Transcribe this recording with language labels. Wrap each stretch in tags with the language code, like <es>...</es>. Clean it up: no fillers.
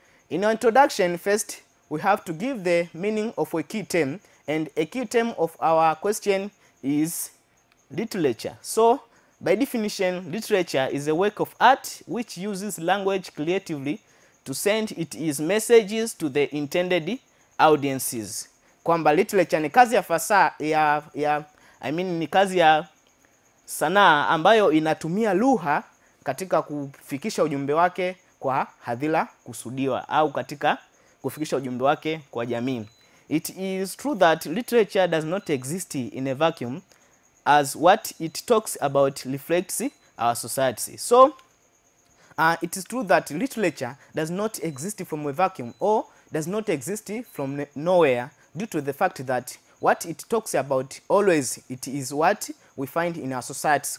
<en>In our introduction, first, we have to give the meaning of a key term. And a key term of our question is literature. So, by definition, literature is a work of art which uses language creatively to send its messages to the intended audiences.</en> <sw>Kwamba literature ni kazi ya fasaha ni kazi ya sanaa ambayo inatumia lugha katika kufikisha ujumbe wake kwa hadhira kusudiwa au katika kufikisha ujumbe wake kwa jamii.</sw> <en>It is true that literature does not exist in a vacuum, as what it talks about reflects our society. So, it is true that literature does not exist from a vacuum or does not exist from nowhere due to the fact that what it talks about always, it is what we find in our society.</en>